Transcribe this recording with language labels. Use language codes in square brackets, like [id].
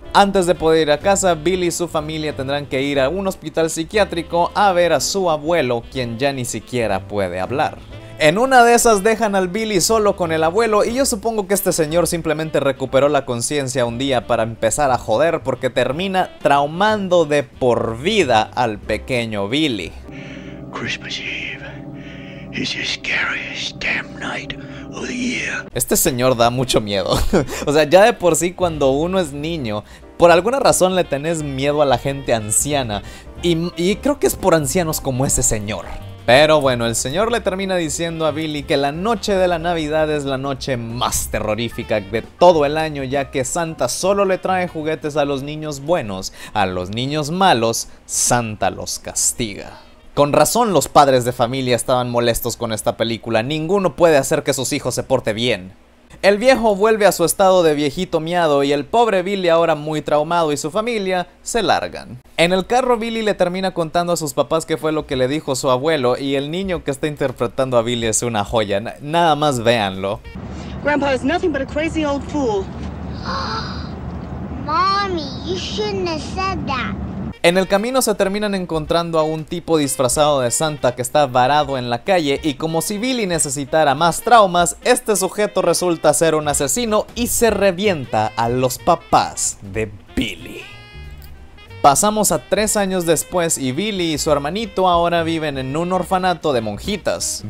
[es] Antes de poder ir a casa, Billy y su familia tendrán que ir a un hospital psiquiátrico a ver a su abuelo, quien ya ni siquiera puede hablar. En una de esas dejan al Billy solo con el abuelo y yo supongo que este señor simplemente recuperó la conciencia un día para empezar a joder porque termina traumando de por vida al pequeño Billy. [en] Christmas Eve. It's the scariest damn night of the year. [es] Este señor da mucho miedo. O sea, ya de por sí cuando uno es niño, por alguna razón le tenés miedo a la gente anciana. Y creo que es por ancianos como ese señor. Pero bueno, el señor le termina diciendo a Billy que la noche de la Navidad es la noche más terrorífica de todo el año, ya que Santa solo le trae juguetes a los niños buenos. A los niños malos, Santa los castiga. Con razón los padres de familia estaban molestos con esta película, ninguno puede hacer que sus hijos se porte bien. El viejo vuelve a su estado de viejito miado y el pobre Billy, ahora muy traumado, y su familia se largan. En el carro Billy le termina contando a sus papás qué fue lo que le dijo su abuelo y el niño que está interpretando a Billy es una joya, nada más véanlo. [en] Grandpa is nothing but a crazy old fool. Mommy, you shouldn't have said that. [es] En el camino se terminan encontrando a un tipo disfrazado de Santa que está varado en la calle y como si Billy necesitara más traumas, este sujeto resulta ser un asesino y se revienta a los papás de Billy. Pasamos a 3 años después y Billy y su hermanito ahora viven en un orfanato de monjitas.